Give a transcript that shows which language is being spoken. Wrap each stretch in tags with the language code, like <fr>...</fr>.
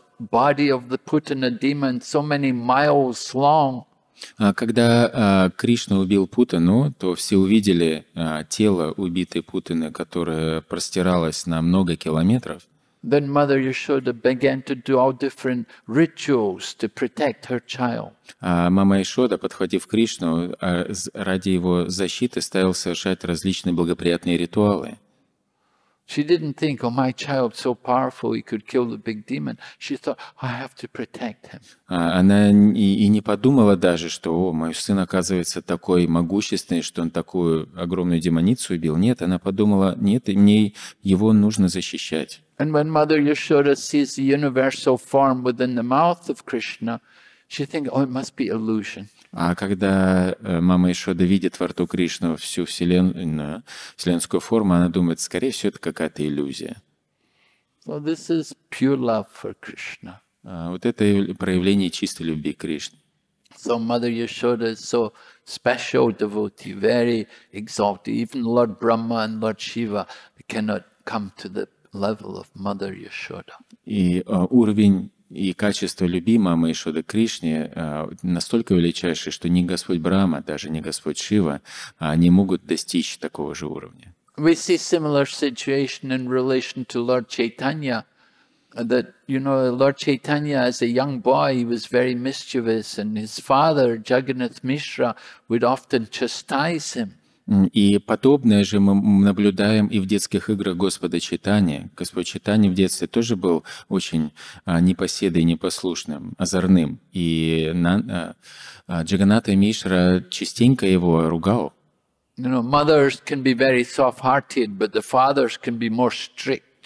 <en>Body of the Putana demon so many miles long.</en> <ru>Когда Кришна убил Путану, то все увидели тело убитой Путаны, которое простиралось на много километров.</ru> <en>Then Mother Yashoda began to do all different rituals to protect her child.</en> <ru>Мама Яшода, подхватив Кришну, ради его защиты стала совершать различные благоприятные ритуалы.</ru> <en>She didn't think, oh, my child so powerful, he could kill the big demon. She thought, I have to protect him.</en> <ru>Она и не подумала даже, что, о, мой сын оказывается такой могущественный, что он такую огромную демоницу убил. Нет, она подумала, нет, мне его нужно защищать.</ru> <en>And when Mother Yashoda sees the universal form within the mouth of Krishna, she thinks, oh, it must be illusion.</en> <ru>А когда мама Яшода видит во рту Кришну всю вселенскую форму, она думает, скорее всего, это какая-то иллюзия.</ru> <en>So this is pure love for Krishna.</en> <ru>Вот это проявление чистой любви к Кришне.</ru> <en>So Mother Yashoda is so special devotee, very exalted. Even Lord Brahma and Lord Shiva cannot come to the level of Mother Yashoda.</en> <ru>И уровень и качество любви мамы Яшоды Кришне настолько величайшее, что ни Господь Брама, даже ни Господь Шива не могут достичь такого же уровня.</ru> <en>We see similar situation in relation to Lord Chaitanya, that, you know, Lord Chaitanya as a young boy, he was very mischievous, and his father, Jagannath Mishra, would often chastise him.</en> <ru>И подобное же мы наблюдаем и в детских играх Господа Чайтаньи. Господь Чайтанья в детстве тоже был очень непоседой, непослушным, озорным. И Джаганната Мишра частенько его ругал.</ru> <en>You know, mothers can be very soft-hearted, but the fathers can be more strict.</en>